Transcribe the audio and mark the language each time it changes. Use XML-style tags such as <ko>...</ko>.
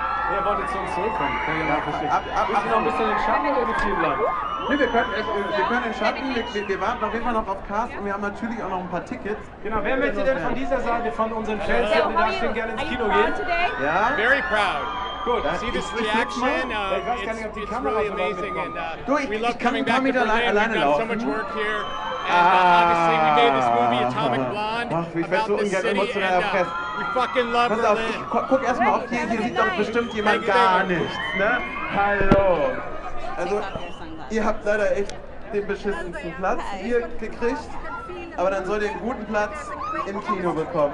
<de>Wer wollte zu uns zurückkommen? Ja, müssen wir noch ein bisschen in den Schatten oder mit dir bleiben? Nee, wir können in den Schatten. Wir warten auf jeden Fall noch auf Cast und wir haben natürlich auch noch ein paar Tickets. Genau, wer möchte denn von dieser Seite, von unseren Fans, die da stehen, gerne ins Kino gehen? Ja?</de> <en>Very proud. Good. See this reaction. It's really amazing, and we love coming back to Berlin. We've got so much work here, and obviously we made this movie Atomic Blonde about this city, and we fucking love Berlin.</en> <de>Pass auf, guck erst mal auf hier. Hier sieht doch bestimmt jemand gar nichts, ne? Hallo. Also, ihr habt leider echt den beschissensten Platz hier gekriegt, aber dann sollt ihr einen guten Platz im Kino bekommen.</de>